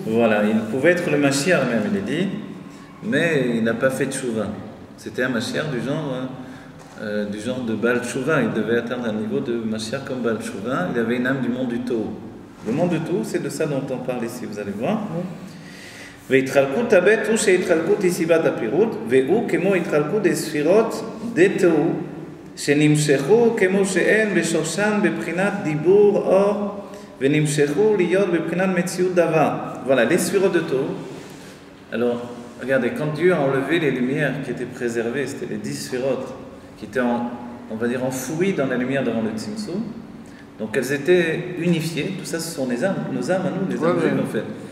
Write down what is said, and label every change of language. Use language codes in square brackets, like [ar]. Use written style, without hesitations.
[fr] Voilà, il pouvait être le Mashiach même, il est dit, mais il n'a pas fait Tshuva. C'était un Mashiach du genre de Baal Tshuva. Il devait atteindre un niveau de Mashiach comme Baal Tshuva. Il avait une âme du monde du Tau. Le monde du Tau, c'est de ça dont on parle ici, vous allez voir. Oui. [he] והתחלקות הבית הוא שהתחלקות היא סיבת הפירוט, והוא כמו התחלקות הספירות דתו, שנמשכו כמו שאין בשורשן בבחינת דיבור אור, ונמשכו להיות בבחינת מציאות דבר. [fr] Voilà, les ספירות דתו. Alors, regardez, quand Dieu a enlevé les lumières qui étaient préservées, c'était les 10 ספירות, qui étaient, on va dire, enfouies dans la lumière devant le Tzimtzum, donc elles étaient unifiées, tout ça ce sont les âmes, nos âmes à nous, les âmes humaines en fait.